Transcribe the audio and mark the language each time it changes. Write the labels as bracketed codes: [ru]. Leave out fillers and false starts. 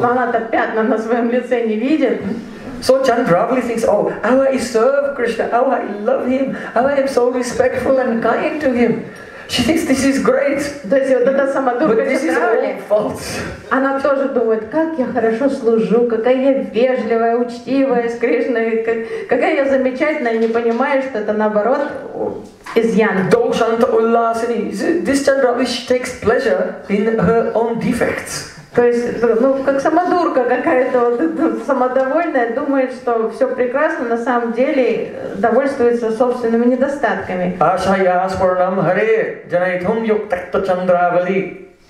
[ru] Но она-то пятна на своем лице не видит. [en] So Chandravali thinks, oh, how I serve Krishna, how I love him, how I am so respectful and kind to him. She thinks this is great. [ru] То есть вот эта самодурка Чандравали. Она тоже думает, как я хорошо служу, какая я вежливая, учтивая с Кришной, какая я замечательная, не понимая, что это наоборот изъян. [sa] Долшанта улласини. [en] This Chandravali, she takes pleasure in her own defects. [ru] То есть, ну, как самодурка какая-то, вот, самодовольная, думает, что все прекрасно, на самом деле довольствуется собственными недостатками. [sa] Ашая Аспарнам Харе, Джанайтхум Йоктакта Чандравали.